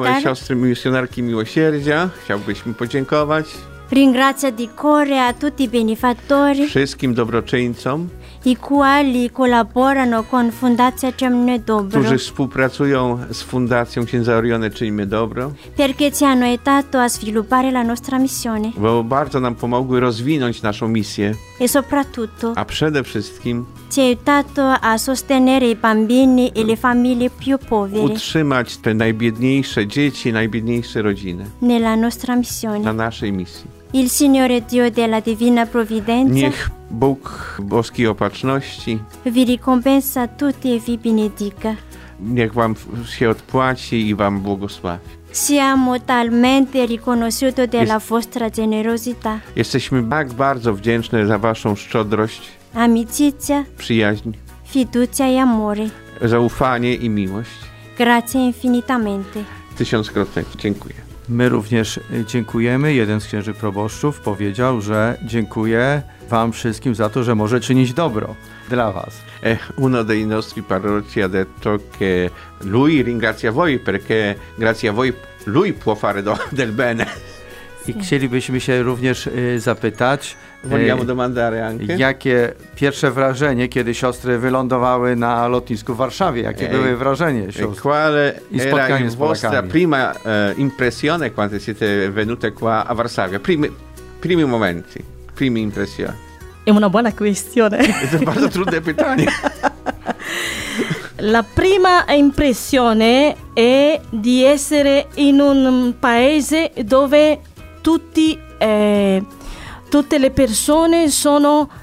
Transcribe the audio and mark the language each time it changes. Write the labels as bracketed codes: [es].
[pl] My, małe siostry misjonarki miłosierdzia, chciałbyśmy podziękować. [it] Ringrazio di cuore a tutti i benefattori. [pl] Wszystkim dobroczyńcom. [it] I quali collaborano con Fondazione Czyńmy Dobro. [pl] Którzy współpracują z Fundacją Księdza Orione Czyńmy Dobro. [it] Perché ci hanno aiutato a sviluppare la nostra missione. [pl] Bo bardzo nam pomogły rozwinąć naszą misję. [it] E soprattutto. [pl] A przede wszystkim. [it] Ci ha aiutato a sostenere i bambini e le famiglie più povere. [pl] Utrzymać te najbiedniejsze dzieci, najbiedniejsze rodziny. [it] Nella nostra missione. [pl] Na naszej misji. [it] Il Signore Dio della Divina Provvidenza. [pl] Niech Bóg Boskiej Opatrzności [it] vi ricompensa tutti e vi benedica. [pl] Niech Wam się odpłaci i Wam błogosławi. [it] Siamo talmente riconosciuti della vostra generosità. [pl] Jesteśmy tak bardzo wdzięczni za Waszą szczodrość, [it] amicizia, [pl] przyjaźń, [it] fiducia e amore, [pl] zaufanie i miłość. [it] Grazie infinitamente. [pl] Tysiąckrotnie dziękuję. My również dziękujemy. Jeden z księży proboszczów powiedział, że dziękuję Wam wszystkim za to, że może czynić dobro dla Was. [it] Uno dei nostri parroci ha detto che lui ringrazia voi perché grazie a voi lui può fare del bene. [pl] I chcielibyśmy się również zapytać, [it] vogliamo domandare anche? [pl] Jakie pierwsze wrażenie, kiedy siostry wylądowały na lotnisku w Warszawie, jakie były wrażenie siostry? [it] Quale era la vostra prima impressione quando siete venute qua a Varsavia? Primi momenti, prime impressioni. È una buona questione. [pl] È bardzo trudne pytanie. [it] La prima impressione è di essere in un paese dove tutte le persone sono